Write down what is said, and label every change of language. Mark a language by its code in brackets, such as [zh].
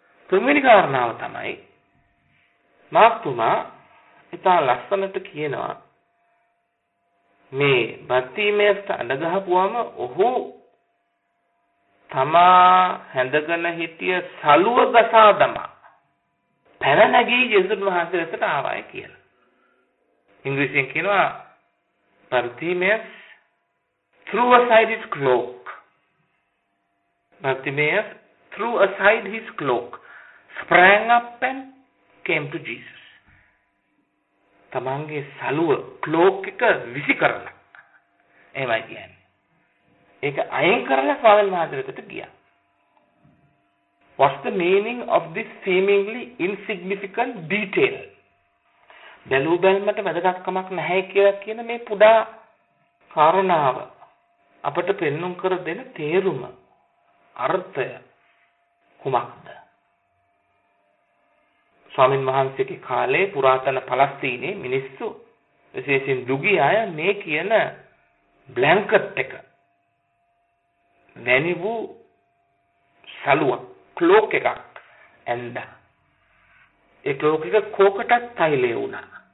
[si] තුන්වැනි කාරණාව තමයි මාතුමා ඉතා ලස්සනට කියනවා මේ බත්තිමේස්ට අඳගහපුවාම ඔහු තමා හැඳගෙන හිටිය සලුව ගසා දමා පැන නැගී ජෙසුන් වහන්සේ වෙතට ආවාය කියලා. ඉංග්‍රීසියෙන් කියනවා බර්තිමේස් [en] through aside his cloak. Bartimaeus through aside his cloak sprang up and came to Jesus. [si] තමන්ගේ සලුව cloak එක විසි කරලා එහෙමයි කියන්නේ. ඒක අයින් කරලා ස්වාමීන් වහන්සේට ගියා. [en] What's the meaning of this seemingly insignificant detail? [si] බැලූ බැලමට වැදගත්කමක් නැහැ කියලා කියන මේ පුඩා කාරණාව අපට පෙන්නුම් කර දෙන තේරුම අර්ථය කුමක්ද? ස්වාමීන් වහන්සේගේ කාලේ පුරාතන පලස්තීනයේ මිනිස්සු විශේෂයෙන් දුගී අය මේ කියන බ්ලැන්කට් එක වැනි වූ සලුව ක්ලෝක් එකක් ඇන්ද ඒ ක්ලෝක් එක කෝකටත් තෛලය වුණා.